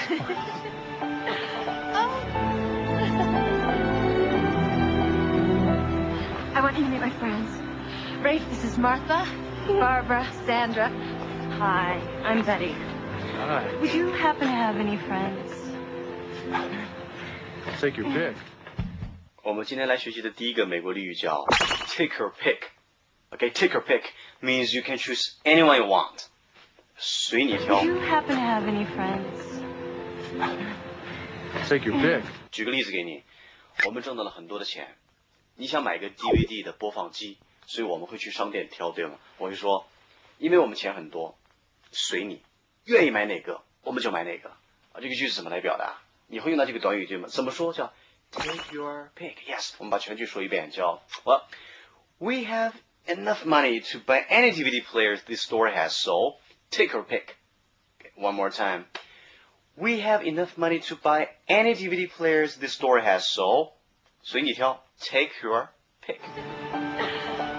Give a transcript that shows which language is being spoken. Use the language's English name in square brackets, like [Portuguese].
[English] Oh. I want you to meet my friends. Rafe, this is Martha, Barbara, Sandra. Hi, I'm Betty. Hi. Would you happen to have any friends? Take your pick. [Chinese] 我们今天来学习的第一个美国俚语叫 [English] take your pick. Okay, take your pick means you can choose anyone you want. [Chinese] 随你挑. [English] Would you happen to have any friends? Take your pick. [Chinese] 举个例子给你，我们挣到了很多的钱， 你想买个DVD的播放机。所以我们会去商店挑，对吗？我就说， 因为我们钱很多， 随你， 愿意买哪个， 我们就买哪个。这个句子怎么来表达？你会用到这个短语，对吗？怎么说叫 [English] take your pick。 Yes， [Chinese] 我们把全句说一遍， 叫 [English] well, we have enough money to buy any DVD player this store has, so take your pick. Okay, one more time. We have enough money to buy any DVD player this store has, so [Chinese] 随你挑， [English] take your pick.